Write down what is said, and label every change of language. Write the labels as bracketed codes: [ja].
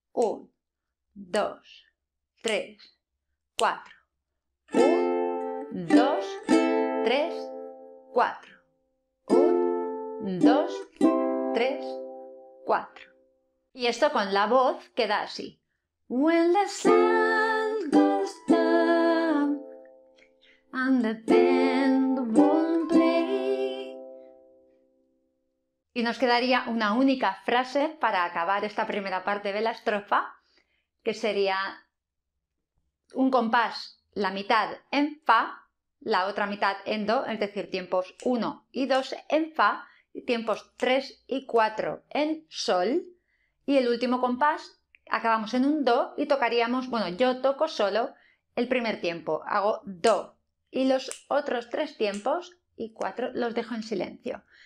[en] 1, 2, 3, 4. 1, 2, 3, 4. 2, 3, 4. [es] Y esto con la voz queda así. [en] When the sun goes down and the band won't play. [es] Y nos quedaría una única frase para acabar esta primera parte de la estrofa, que sería un compás, la mitad en fa, la otra mitad en do, es decir, tiempos 1 y 2 en fa, tiempos 3 y 4 en sol, y el último compás acabamos en un do y tocaríamos, bueno, yo toco solo el primer tiempo, hago do, y los otros tres tiempos y cuatro los dejo en silencio.